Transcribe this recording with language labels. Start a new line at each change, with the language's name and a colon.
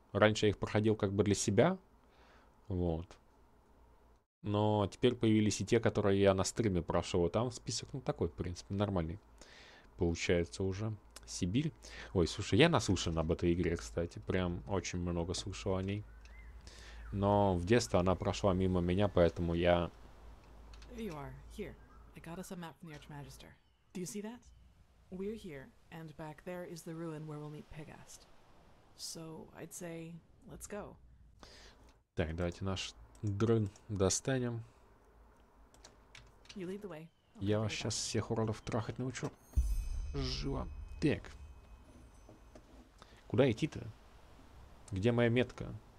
Russian: Раньше я их проходил как бы для себя. Вот. Но теперь появились и те, которые я на стриме прошел. Там список, ну, такой, в принципе, нормальный. Получается уже. Сибирь. Ой, слушай, я наслышан об этой игре, кстати. Прям очень много слышал о ней. Но в детстве она прошла мимо меня, поэтому я...
English: You are here. I got us a map from the Archmagister. Do you see that? We're here, and back there is the ruin where we'll meet Pegast. So, I'd say, let's go.
Russian: Так, давайте наш дрын достанем.
English: You lead the way.
Russian: Я вас сейчас всех уродов трахать научу. Живо. Так. Куда идти-то? Где моя метка?